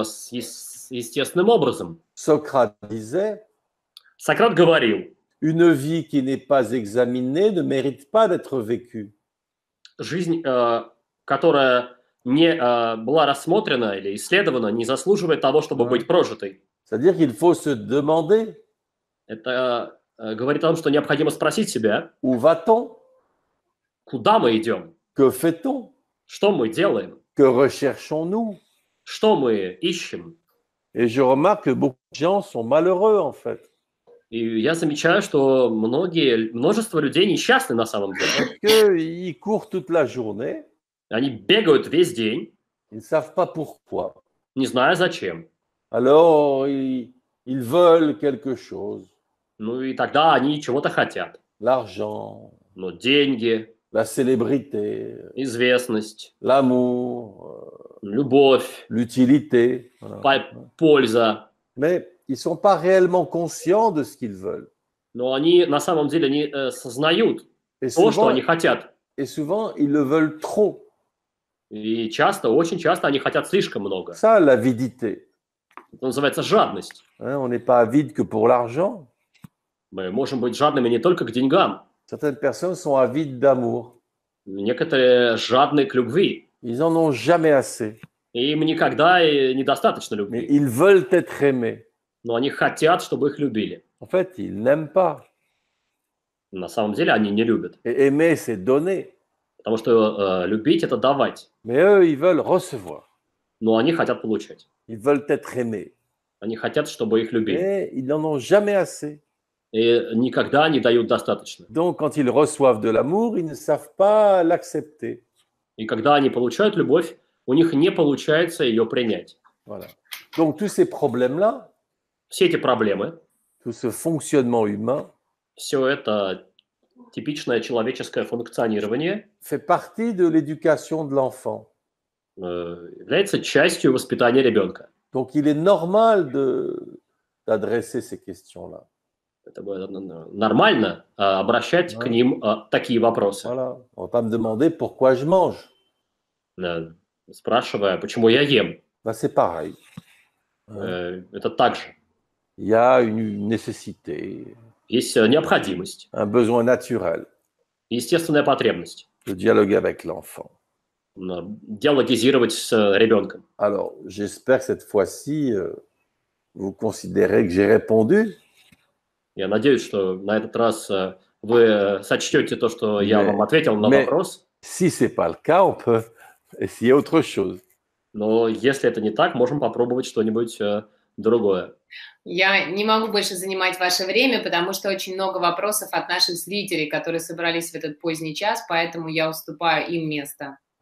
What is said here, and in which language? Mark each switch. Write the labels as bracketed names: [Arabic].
[Russian] Размышлять естественным образом. [French] Сократ disait. [Russian] Сократ говорил. [French] Une vie qui n'est pas examinée ne mérite pas d'être vécue. [Russian] Жизнь, которая не была рассмотрена или исследована, не заслуживает того, чтобы быть прожитой. [French] C'est-à-dire qu'il faut se demander. [Russian] Это говорит о том, что необходимо спросить себя. [French] Où va-t-on? [Russian] Куда мы идем? [French] Que fait-on? [Russian] Что мы делаем? [French] Que recherchons-nous? [Russian] Что мы ищем? [French] Et je remarque que beaucoup de gens sont malheureux, en fait. [Russian] И я замечаю, что множество людей несчастны на самом деле. [French] Parce que ils courent toute la journée. [Russian] Они бегают весь день. [French] Ils ne savent pas pourquoi. [Russian] Не зная зачем. [French] Alors, ils veulent quelque chose. [Russian] Ну и тогда они чего-то хотят. [French] L'argent. [Russian] Ну, деньги. [French] La célébrité. [Russian] Известность. [French] L'amour. [Russian] Любовь. [French] L'utilité. [Russian] Польза. [French] Mais ils ne sont pas réellement conscients de ce qu'ils veulent. [Russian] Но они на самом деле не сознают то, что они хотят. [French] Et souvent, ils le veulent trop. [Russian] И часто, очень часто они хотят слишком много. [French] Ça, l'avidité. [Russian] Это называется жадность. [French] Hein, on n'est pas avide que pour l'argent. [Russian] Мы можем быть жадными не только к деньгам. [French] Certaines personnes sont avides d'amour. [Russian] Некоторые жадны к любви. [French] Ils en ont jamais assez. [Russian] Им никогда недостаточно любви. [French] Mais ils veulent être aimés. [Russian] Но они хотят, чтобы их любили. [French] En fait, ils n'aiment pas. [Russian] На самом деле они не любят. [French] Et aimer, c'est donner. [Russian] Потому что любить – это давать. [French] Mais eux, ils veulent recevoir. [Russian] Но они хотят получать. [French] Ils veulent être aimés. [Russian] Они хотят, чтобы их любили. [French] Mais ils n'en ont jamais assez. [Russian] И никогда не дают достаточно. [French] Donc, quand ils reçoivent de l'amour, ils ne savent pas l'accepter. [Russian] И когда они получают любовь, у них не получается ее принять. [French] Voilà. Donc, tous ces problèmes-là, [Russian] все эти проблемы, [French] tout ce fonctionnement humain, [Russian] все это типичное человеческое функционирование, [French] fait partie de l'éducation de l'enfant. [Russian] Является частью воспитания ребенка. [French] Donc, il est normal d'adresser ces questions-là. [Russian] Это было нормально обращать к ним такие вопросы. [French] Voilà. On va pas me demander pourquoi je mange. [Russian] Спрашивая, почему я ем. [French] Bah, c'est pareil. [Russian] Это так же. [French] Il y a une nécessité. [Russian] Есть необходимость. [French] Un besoin naturel. [Russian] Естественная потребность. [French] De dialoguer avec l'enfant. [Russian] Диалогизировать с ребенком. [French] Alors, j'espère que cette fois-ci, vous considérez que j'ai répondu. [Russian] Я надеюсь, что на этот раз вы сочтете то, что я вам ответил на вопрос. [French] Si c'est pas le cas, on peut essayer autre chose. [Russian] Но если это не так, можем попробовать что-нибудь другое. Я не могу больше занимать ваше время, потому что очень много вопросов от наших зрителей, которые собрались в этот поздний час, поэтому я уступаю им место.